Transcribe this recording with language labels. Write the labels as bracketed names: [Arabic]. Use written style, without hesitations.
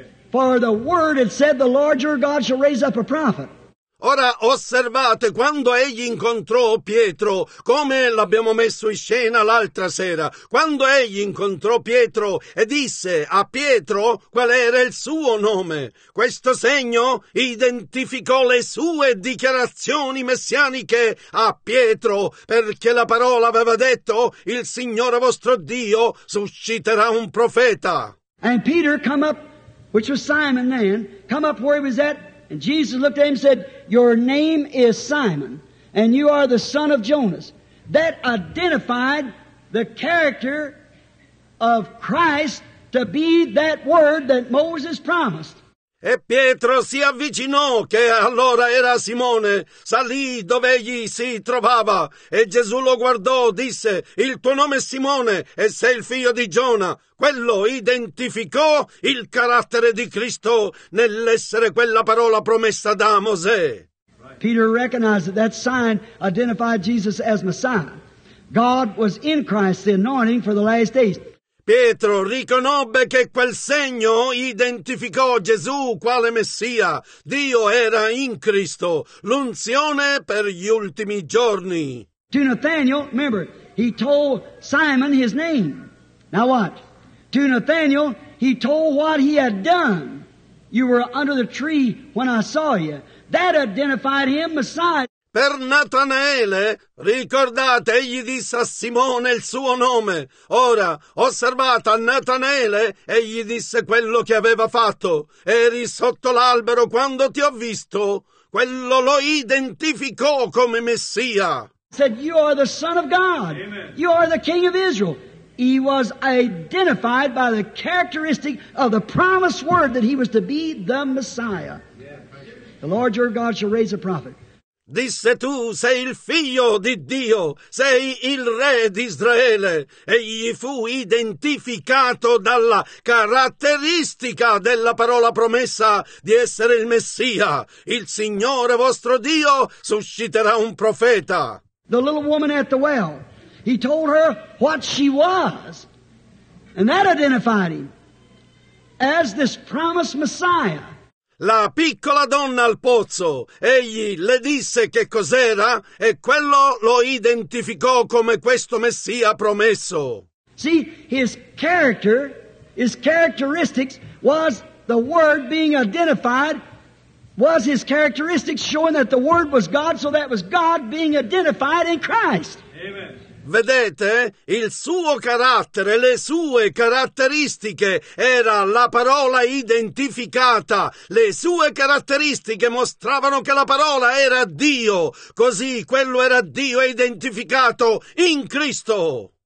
[English] For the word had said, "The Lord your God shall raise up a prophet." [Italian] Ora osservate, quando egli incontrò Pietro, come l'abbiamo messo in scena l'altra sera, quando egli incontrò Pietro e disse a Pietro qual era il suo nome, questo segno identificò le sue dichiarazioni messianiche a Pietro, perché la parola aveva detto: "Il Signore vostro Dio susciterà un profeta." [English] And Peter come up, which was Simon then, come up where he was at. And Jesus looked at him and said, "Your name is Simon, and you are the son of Jonas." That identified the character of Christ to be that word that Moses promised. [Italian] E Pietro si avvicinò, che allora era Simone, salì dove egli si trovava, e Gesù lo guardò, disse: "Il tuo nome è Simone, e sei il figlio di Giona." Quello identificò il carattere di Cristo nell'essere quella parola promessa da Mosè. [English] Peter recognized that sign identified Jesus as Messiah. God was in Christ, the anointing for the last days. [Italian] Pietro riconobbe che quel segno identificò Gesù quale Messia. Dio era in Cristo, l'unzione per gli ultimi giorni. [English] To Nathanael, remember, he told Simon his name. Now watch. To Nathanael, he told what he had done. You were under the tree when I saw you. That identified him, Messiah. [Italian] Per Natanaele, ricordate, egli disse a Simone il suo nome. Ora, osservate a Natanaele, egli disse quello che aveva fatto. Eri sotto l'albero quando ti ho visto. Quello lo identificò come Messia. [English] Said, you are the Son of God. Amen. You are the King of Israel. He was identified by the characteristic of the promised word that he was to be the Messiah. The Lord your God shall raise a prophet. [Italian] Disse tu, sei il figlio di Dio, sei il re di Israele. Egli fu identificato dalla caratteristica della parola promessa di essere il Messia. Il Signore vostro Dio susciterà un profeta. [English] The little woman at the well, he told her what she was, and that identified him as this promised Messiah. [Italian] La piccola donna al pozzo, egli le disse che cos'era e quello lo identificò come questo Messia promesso. [English] See, his character, his characteristics was the word being identified, was his characteristics showing that the word was God, so that was God being identified in Christ. Amen. [Italian] Vedete, il suo carattere, le sue caratteristiche, era la parola identificata. Le sue caratteristiche mostravano che la parola era Dio. Così, quello era Dio identificato in Cristo.